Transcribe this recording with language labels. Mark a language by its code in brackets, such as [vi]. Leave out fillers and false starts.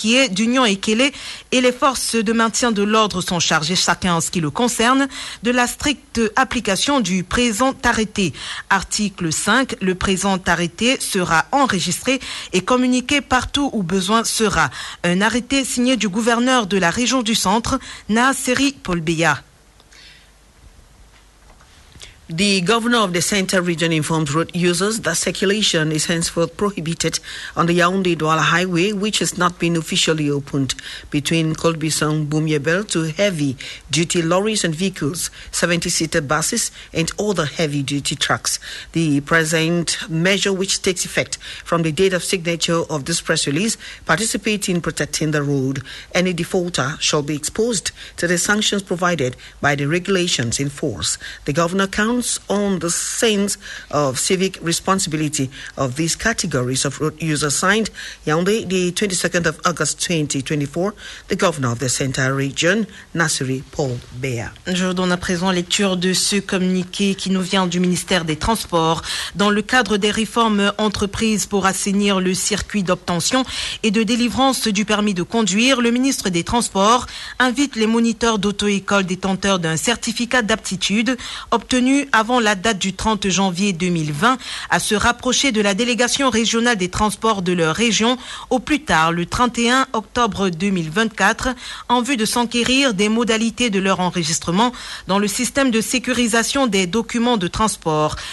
[fr] Kié, d'Union Ekele et les forces de maintien de l'ordre sont chargés, chacun en ce qui le concerne, de la stricte application du présent arrêté. Article 5, le présent arrêté sera enregistré et communiqué partout où besoin sera. Un arrêté signé du gouverneur de la région du centre, Naseri Paul Beya. [en] The governor of the center region informs road users that circulation is henceforth prohibited on the Yaoundé-Douala Highway, which has not been officially opened, between Kolbisong-Bumyebel to heavy-duty lorries and vehicles, 70-seater buses and other heavy-duty trucks. The present measure, which takes effect from the date of signature of this press release, participates in protecting the road. Any defaulter shall be exposed to the sanctions provided by the regulations in force. The governor counts on the sense of civic responsibility of these categories of road users. Signed Yaoundé, the 22nd of August 2024, the governor of the Central Region, Naseri Paul Beya. [fr] Je vous donne à présent lecture de ce communiqué qui nous vient du ministère des Transports. Dans le cadre des réformes entreprises pour assainir le circuit d'obtention et de délivrance du permis de conduire, le ministre des Transports invite les moniteurs d'auto-école détenteurs d'un certificat d'aptitude obtenu avant la date du 30 janvier 2020 à se rapprocher de la délégation régionale des transports de leur région au plus tard le 31 octobre 2024 en vue de s'enquérir des modalités de leur enregistrement dans le système de sécurisation des documents de transport.